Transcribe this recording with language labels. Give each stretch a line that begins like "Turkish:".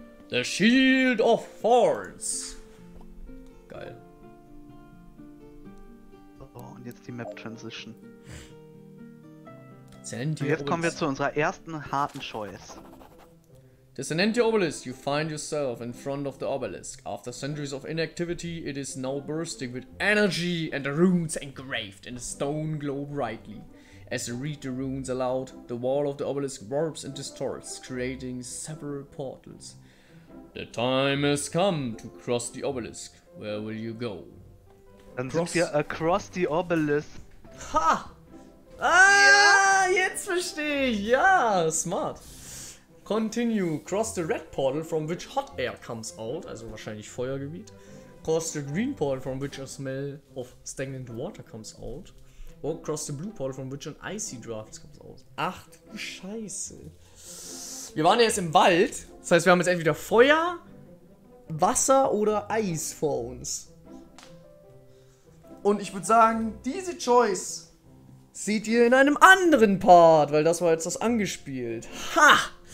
English: The Shield of Thorns. Geil.
German: Oh, und jetzt die Map Transition.
English: Descendant Obelisk.
German: Jetzt kommen wir zu unserer ersten harten Choice.
English: Descendant Obelisk, you find yourself in front of the Obelisk. After centuries of inactivity, it is now bursting with energy and the runes engraved in the stone glow brightly. As you read the runes aloud, the wall of the Obelisk warps and distorts, creating several portals. The time has come to cross the Obelisk. Where will you go?
German: Dann cross. Sind wir across the Obelisk. Ha! Ah, ja. Jetzt verstehe ich!
English: Ja, smart! Continue, cross the red portal from which hot air comes out,
German: also wahrscheinlich Feuergebiet.
English: Cross the green portal from which a smell of stagnant water comes out. Or cross the blue portal from which an icy draft comes out.
German: Ach du Scheiße! Wir waren ja jetzt im Wald, das heißt, wir haben jetzt entweder Feuer, Wasser oder Eis vor uns. Und ich würde sagen, diese Choice seht ihr in einem anderen Part, weil das war jetzt das angespielt. Ha!